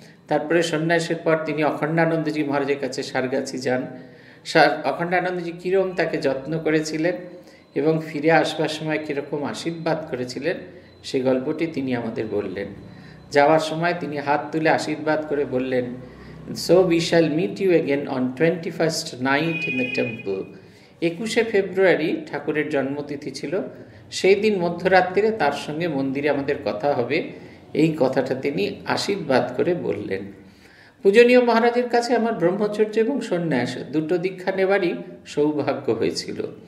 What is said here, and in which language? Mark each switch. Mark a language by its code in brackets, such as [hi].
[bn] তারপরে সন্ন্যাসের পর তিনি অখণ্ডানন্দজি মহারাজের কাছে সারগাছি যান, অখণ্ডানন্দজি কীরকম তাকে যত্ন করেছিলেন এবং ফিরে আসবার সময় কীরকম আশীর্বাদ করেছিলেন সেই গল্পটি তিনি আমাদের বললেন। যাওয়ার সময় তিনি হাত তুলে আশীর্বাদ করে বললেন, [en] So we shall meet you again on 21st night in the temple. [bn] 21 ফেব্রুয়ারি ঠাকুরের জন্মতিথি ছিল, সেই দিন মধ্যরাত্রিতে তার সঙ্গে মন্দিরে আমাদের কথা হবে, এই কথাটা তিনি আশীর্বাদ করে বললেন। পূজনীয় মহারাজের কাছে আমার ব্রহ্মচর্য এবং সন্ন্যাস দুটো দীক্ষা নেবারই সৌভাগ্য হয়েছিল।